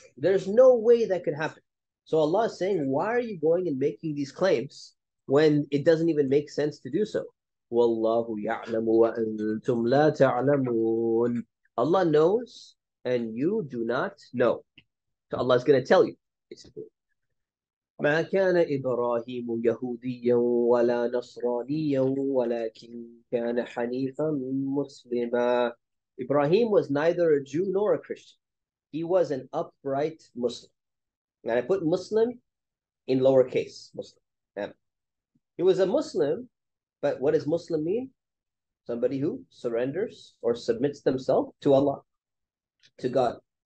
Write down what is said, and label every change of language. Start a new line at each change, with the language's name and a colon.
English: There's no way that could happen. So Allah is saying, why are you going and making these claims when it doesn't even make sense to do so?
Arabic: Wallahu ya'lamu wa antum la ta'lamun.
English: Allah knows and you do not know. So Allah is going to tell you, basically.
Arabic: ما كان إبراهيم يهوديا ولا نصرانيا ولكن كان حنيفا مسلما.
English: Ibrahim was neither a Jew nor a Christian. He was an upright Muslim. And I put Muslim in lowercase, Muslim. Yeah. He was a Muslim, but what does Muslim mean? Somebody who surrenders or submits themselves to Allah, to God.